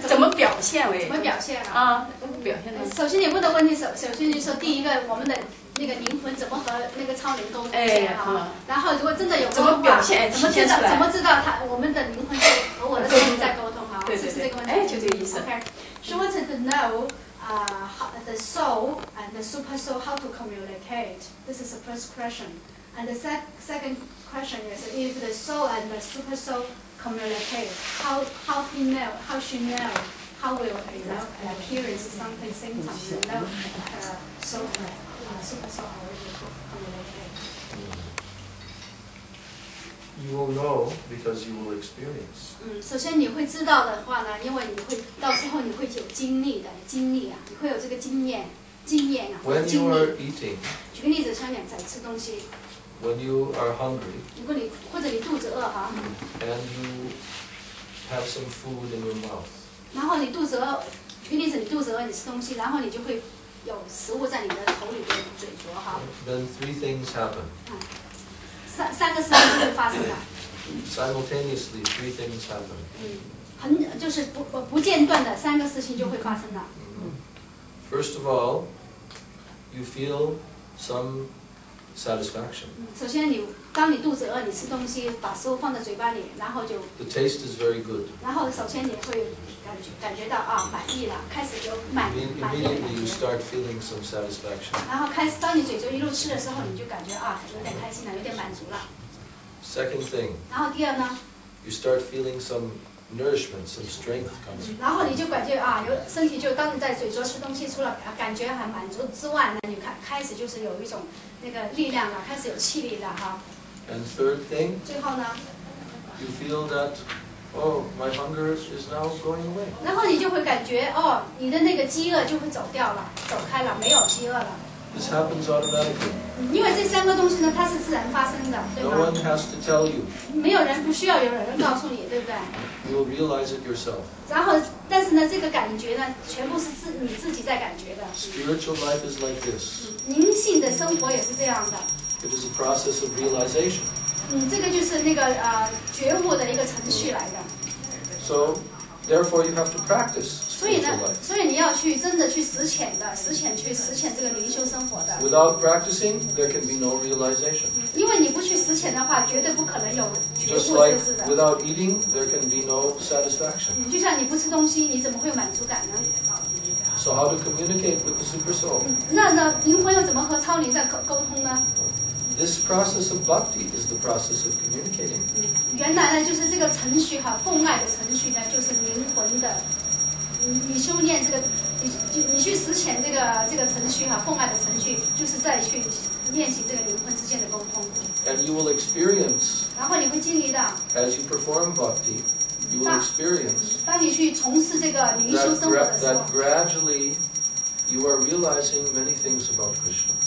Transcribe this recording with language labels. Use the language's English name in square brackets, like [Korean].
[Chinese] 怎么表现为？怎么表现啊？啊，表现的。首先你问的问题，首先就是说第一个，我们的那个灵魂怎么和那个超灵沟通？哎，好。然后如果真的有沟通，怎么表现？怎么知道？怎么知道他我们的灵魂是和我的超灵在沟通啊？对对对，哎，就这个意思。 [English] Okay, she wanted to know. The soul and the super soul, how to communicate? This is the first question. And the second question is, if the soul and the super soul communicate, how she know, how will you know, appearance something symptoms, you know, soul, super soul communicate? You will know because you will experience. [Chinese] 首先你会知道的话呢，因为你会到时候你会有经历的经历啊，你会有这个经验啊。 [English] When you are eating. [Chinese] 举个例子，像你在吃东西。 [English] When you are hungry, [Chinese] 如果你或者你肚子饿哈 [English] ，and you have some food in your mouth, [Chinese] 然后你肚子饿，举例子，你肚子饿，你吃东西，然后你就会有食物在你的头里边、嘴啄哈。 [English] Then three things happen. [Chinese] 三个事情会发生的。 [English] Simultaneously, three things happen. [Chinese] 就是不间断的三个事情就会发生的。 [English] First of all, you feel some satisfaction. [Chinese] 首先你当你肚子饿，你吃东西，把食物放在嘴巴里，然后就 [English] the taste is very good. [Chinese] 然后首先你会感觉到啊，满意了，开始就满意了。 [English] Immediately you start feeling some satisfaction. [Chinese] 然后开始，当你嘴就一路吃的时候，你就感觉啊，有点开心了，有点满足了。 [English] Second thing. [Chinese] 然后第二呢？ [English] You start feeling some nourishment, some strength comes. [Chinese] 然后你就感觉啊，有身体就当你在嘴中吃东西，除了感觉很满足之外呢，你开始就是有一种那个力量了，开始有气力了哈。 [English] And third thing. [Chinese] 最后呢 [English] ？You feel that, oh, my hunger is now going away. [Chinese] 然后你就会感觉哦，你的那个饥饿就会走掉了，走开了，没有饥饿了。 [English] This happens automatically. [Chinese] 因为这三个东西呢，它是自然发生的，对吧 [English] ？No one has to tell you. [Chinese] 没有人不需要有人告诉你，对不对 [English] ？You will realize it yourself. [Chinese] 然后，但是呢，这个感觉呢，全部是你自己在感觉的。 [English] Spiritual life is like this. [Chinese] 灵性的生活也是这样的。 [English] It is a process of realization. [Chinese] 这个就是那个觉悟的一个程序来的。 [English] So, therefore, you have to practice. [Chinese] 所以你要去真的去实践这个灵修生活的。 [English] Without practicing, there can be no realization. [Chinese] 因为你不去实践的话，绝对不可能有觉悟自知的。 [English] Just like without eating, there can be no satisfaction. [Chinese] 就像你不吃东西，你怎么会有满足感呢 [English] ？So how to communicate with the super soul? [Chinese] 那灵魂又怎么和超灵在沟通呢？ [English] This process of bhakti is the process of communicating. [Chinese] 原来呢，就是这个程序哈，奉爱的程序呢，就是灵魂的。你修炼这个，你去实践这个程序哈、啊，奉爱的程序，就是在去练习这个灵魂之间的沟通。 [English] And you will experience. [Chinese] 然后你会经历到。 [English] As you perform bhakti, you will experience. [Chinese] 当你去从事这个灵修生活的时候。 [English] That gradually, you are realizing many things about Krishna.